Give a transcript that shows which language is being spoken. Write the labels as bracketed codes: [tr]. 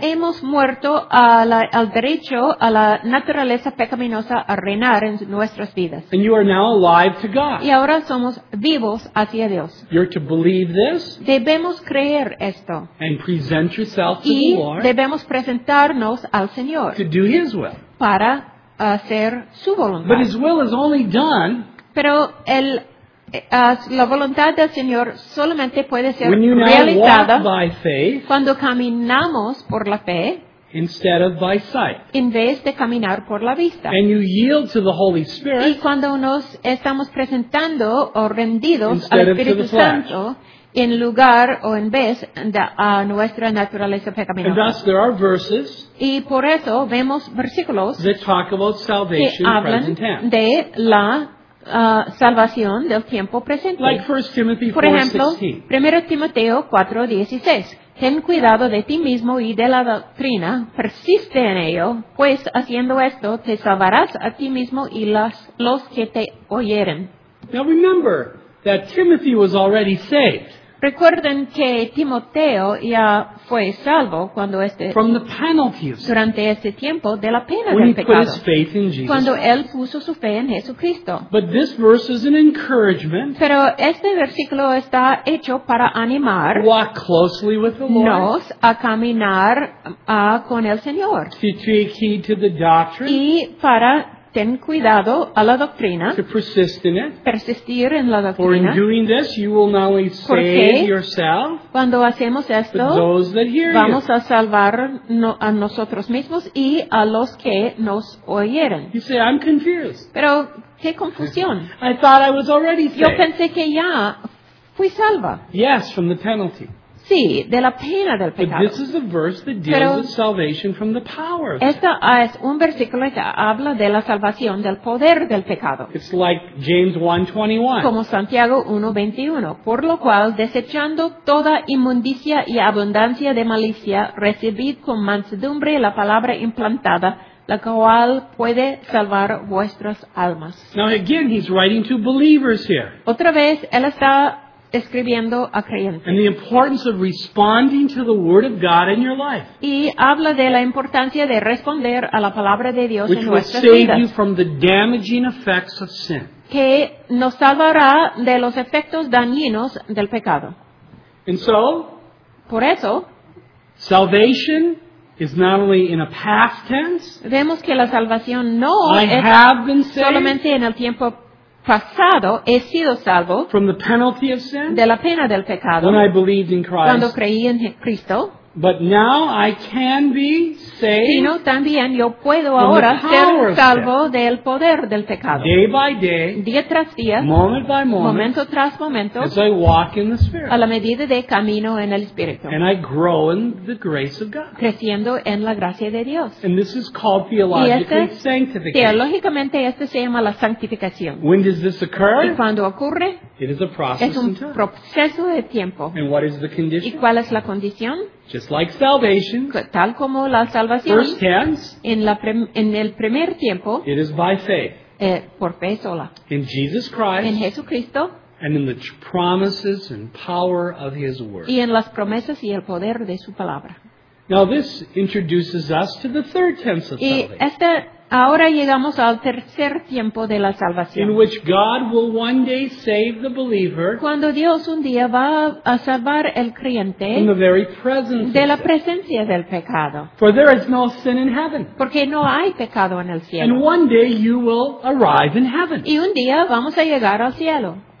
[es] Hemos muerto al derecho a la naturaleza pecaminosa a reinar en nuestras vidas. [en] And you are now alive to God. [es] Y ahora somos vivos hacia Dios. [en] You're to believe this. [es] Debemos creer esto. [en] And present yourself to [es] y [en] the Lord. [es] Y debemos presentarnos al Señor. [en] To do His will. [es] Para hacer su voluntad. [en] But His will is only done. [es] Pero el la voluntad del Señor solamente puede ser realizada cuando caminamos por la fe [en] instead of by sight. [es] En vez de caminar por la vista. [en] And you yield to the Holy Spirit, [es] y cuando nos estamos presentando o rendidos al Espíritu Santo en lugar o en vez de a nuestra naturaleza pecaminosa. [en] And thus there are verses, [es] y por eso vemos versículos [en] that talk about salvation [es] que hablan [en] present tense. [es] De la salvación del tiempo presente. [en] Like 1 Timothy 4, [es] por ejemplo, 1 Timoteo 4, 16. Ten cuidado de ti mismo y de la doctrina. Persiste en ello, pues haciendo esto te salvarás a ti mismo y los que te oyeren. [en] Now remember that Timothy was already saved. [es] Recuerden que Timoteo ya fue salvo cuando durante este tiempo de la pena del pecado. [en] His faith in Jesus. [es] Cuando él puso su fe en Jesucristo. [en] But this verse is an encouragement. [es] Pero este versículo está hecho para animar [en] walk closely with the Lord. [es] Nos a caminar con el Señor. [en] To take heed to the doctrine. [es] Y para ten cuidado a la doctrina. [en] To persist in it. [es] Persistir en la doctrina. [en] For in doing this, you will not only save yourself, [es] cuando hacemos esto, [en] but those that hear [es] vamos [en] you. [es] A salvar a nosotros mismos y a los que nos oyeren. [en] You say, I'm confused. [es] Pero, ¿qué confusión? [en] I thought I was already saved. [es] Yo pensé que ya fui salva. [en] Yes, from the penalty. [es] Sí, de la pena del pecado. [en] But this is a verse that deals [es] pero [en] with salvation from the power. [es] Esta es un versículo que habla de la salvación del poder del pecado. [en] It's like James 1:21. [es] Como Santiago 1:21. Por lo cual, desechando toda inmundicia y abundancia de malicia, recibid con mansedumbre la palabra implantada, la cual puede salvar vuestras almas. [en] Now again, he's writing to believers here. [es] Otra vez, él está escribiendo a creyentes. [en] And the importance of responding to the word of God in your life. [es] Y habla de la importancia de responder a la palabra de Dios [en] which [es] en nuestras vidas. [en] Which will save you from the damaging effects of sin. [es] Que nos salvará de los efectos dañinos del pecado. [en] And so, [es] por eso, [en] salvation is not only in a past tense. [es] Vemos que la salvación no [en] I [es] es [en] have been [es] solamente [en] saved, [es] en el tiempo pasado he sido salvo [en] from the penalty of sin, [es] de la pena del pecado [en] when I believed in Christ, [es] cuando creí en Cristo, [en] but now I can be saved, [es] sino también yo puedo ahora ser salvo del poder del pecado. [en] Day by day, [es] día tras día, [en] moment by moment, [es] momento tras momento, [en] as I walk in the Spirit, [es] a la medida de camino en el Espíritu, [en] and I grow in the grace of God, [es] creciendo en la gracia de Dios. [en] And this is called theologically sanctification. [es] Teológicamente esto se llama la santificación. [en] When does this occur? [es] ¿Y cuándo ocurre? [en] It is a process. [es] Es un proceso de tiempo. [en] And what is the condition? [es] ¿Y cuál es la condición? [en] Just like salvation, [es] tal como la salvación, [en] first tense, [es] en el primer tiempo, [en] it is by faith, [es] por fe sola, [en] in Jesus Christ, [es] en Jesucristo, [en] and in the promises and power of His Word, [es] y en las promesas y el poder de su palabra. [en] Now this introduces us to the third tense of [es] y [en] salvation. [es] Ahora llegamos al tercer tiempo de la salvación. [en] In which God will one day save the believer, [es] cuando Dios un día va a salvar el creyente [en] in the very presence [es] de la presencia del pecado. [en] For there is no sin in heaven. [es] Porque no hay pecado en el cielo. [en] And one day you will arrive in heaven. [es] Y un día vamos a llegar al cielo.